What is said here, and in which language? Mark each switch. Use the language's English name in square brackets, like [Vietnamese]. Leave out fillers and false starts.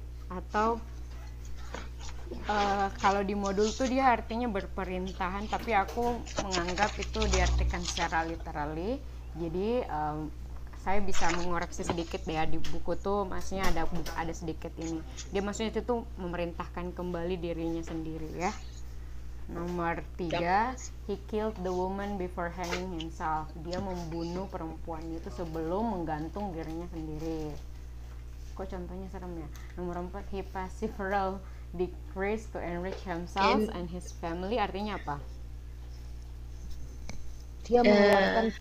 [Indonesian] Atau kalau di modul tuh dia artinya berperintahan, tapi aku menganggap itu diartikan secara literally. Jadi saya bisa mengoreksi sedikit ya, di buku tuh maksudnya ada sedikit ini. Dia maksudnya itu tuh memerintahkan kembali dirinya sendiri ya. Nomor 3, [English] he killed the woman before hanging himself. [Indonesian] Dia membunuh perempuan itu sebelum menggantung dirinya sendiri. Kok contohnya serem ya? Nomor 4, [English] he passed several decrees to enrich himself and his family. [Indonesian] Artinya apa? Dia mengeluarkan